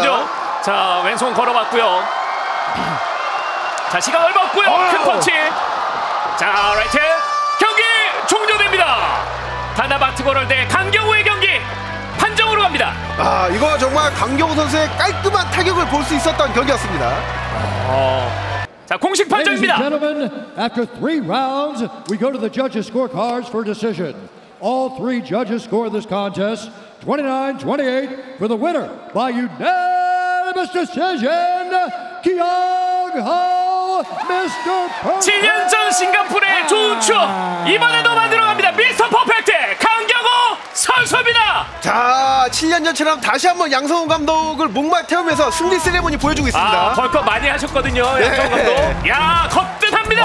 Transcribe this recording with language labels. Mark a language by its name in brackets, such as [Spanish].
[Korean] 그렇죠. 자, 왼손 걸어봤고요. 자, 시간 얼마 없고요. 큰 펀치. 자, 라이트. 경기 종료됩니다. 다나바트 걸을 대 강경호의 경기 판정으로 갑니다. 아, 이거 정말 강경호 선수의 깔끔한 타격을 볼 수 있었던 경기였습니다. 자, 공식 판정입니다. [English] After 3 rounds, we go to the judges' scorecards for decision. All 3 judges score this contest 29-28 for the winner by unanimous decision. [Korean] 기영호 미스터 퍼펙트. 7년 전 싱가포르의 좋은 추억 이번에도 만들어 갑니다. 미스터 퍼펙트 강경호 선수입니다. 자, 7년 전처럼 다시 한번 양성호 감독을 목말 태우면서 승리 세레모니 보여주고 있습니다. 아, 벌컥 많이 하셨거든요, 네. 양성호 감독. 야, 거뜬합니다.